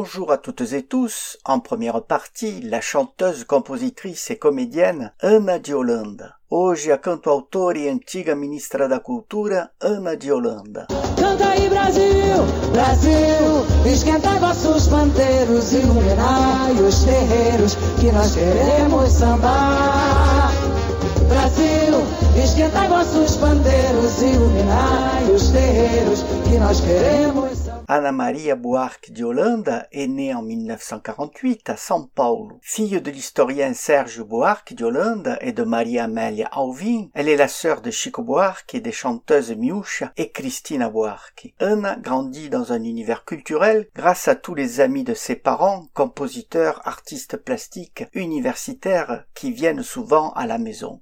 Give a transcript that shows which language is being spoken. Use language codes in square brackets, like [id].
[fr] À toutes et tous, en première partie, la chanteuse, compositrice et comédienne Ana de Holanda. [pt] Hoje, a cantautora e antiga ministra da Cultura, Ana de Holanda. Canta aí, Brasil, Brasil, esquenta vossos panteiros, iluminai os terreiros que nós queremos sambar. Brasil, esquenta vossos panteiros, iluminai os terreiros que nós queremos. [fr] Ana Maria Buarque de Holanda est née en 1948 à São Paulo. Fille de l'historien Sérgio Buarque de Holanda et de Maria Amélia Alvim, elle est la sœur de Chico Buarque et des chanteuses Miúcha et Cristina Buarque. Ana grandit dans un univers culturel grâce à tous les amis de ses parents, compositeurs, artistes plastiques, universitaires, qui viennent souvent à la maison.